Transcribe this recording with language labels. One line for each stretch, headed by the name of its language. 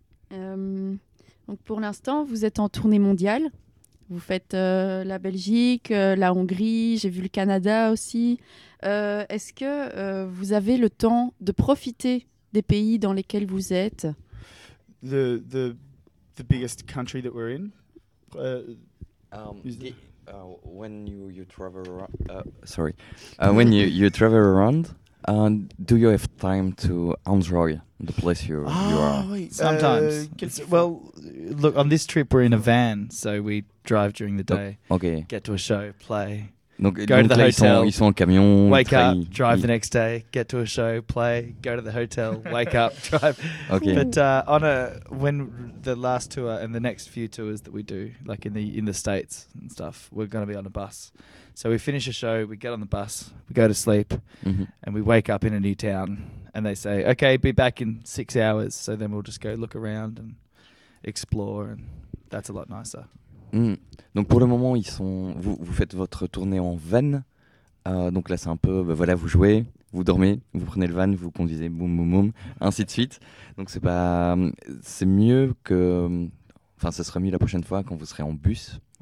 French: Donc pour l'instant, vous êtes en tournée mondiale. Vous faites la Belgique, la Hongrie, j'ai vu le Canada aussi. Est-ce que vous avez le temps de profiter des pays dans lesquels vous êtes?
English: The biggest country that we're in. When you travel around, do you have time to enjoy the place you are? Sometimes. Look, on this trip we're in a van, so we drive during the day. Okay. Get to a show, play. Go to the hotel.
French: Ils sont en camion.
English: Wake up. Drive the next day. Get to a show, play. Go to the hotel. Wake up. Drive. Okay. But the last tour and the next few tours that we do, like in the States and stuff, we're going to be on a bus. So we finish a show, we get on the bus, we go to sleep, mm-hmm. and we wake up in a new town. And they say, okay, be back in 6 hours. So then we'll just go look around and explore, and that's a lot nicer. Mm.
French: Donc pour le moment, vous faites votre tournée en van. Donc là, c'est un peu, vous jouez, vous dormez, vous prenez le van, vous conduisez, boum, boum, boum, ainsi de suite. Donc c'est mieux que... Enfin, ce sera mieux la prochaine fois quand vous serez en bus,